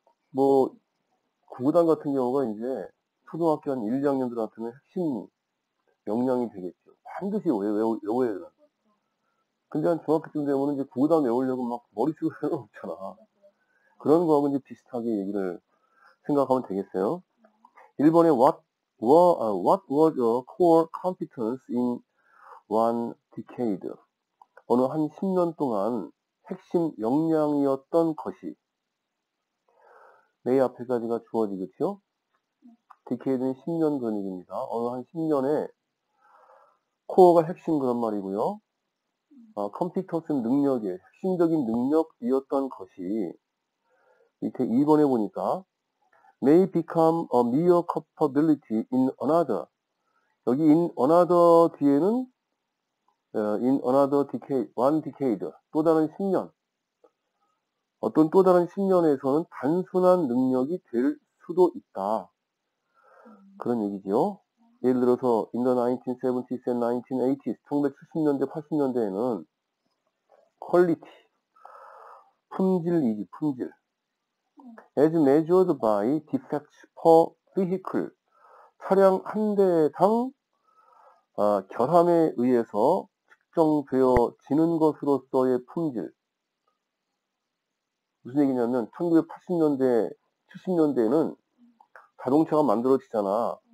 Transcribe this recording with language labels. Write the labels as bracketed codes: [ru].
[ko] 뭐, 구구단 같은 경우가 이제 초등학교 한 1, 2학년들한테는 핵심 역량이 되겠죠. 반드시 외워야 돼. 근데 한 중학교쯤 되면 이제 구구단 외우려고 막 머릿속에 없잖아. 그런 거하고 이제 비슷하게 얘기를 생각하면 되겠어요. [en] 1번에 what was your core competence in one decade? [ko] 어느 한 10년 동안 핵심 역량이었던 것이 내 앞에까지가 주어지겠죠? Decade는 10년 전 일입니다. 어느 한 10년에 코어가 핵심 그런 말이고요. 컴퓨터스는 능력이에요. 핵심적인 능력이었던 것이 밑에 2번에 보니까 [en] may become a mere capability in another. [ko] 여기 in another 뒤에는 [en] in another decade, one decade, [ko] 또 다른 10년. 어떤 또 다른 10년에서는 단순한 능력이 될 수도 있다. 그런 얘기죠. 예를 들어서, [en] in the 1970s and 1980s, [ko] 1970년대, 80년대에는 퀄리티, 품질이지, 품질. [en] As measured by defects per vehicle. [ko] 차량 한 대당 결함에 의해서 측정되어지는 것으로서의 품질. 무슨 얘기냐면, 1980년대, 70년대에는 자동차가 만들어지잖아.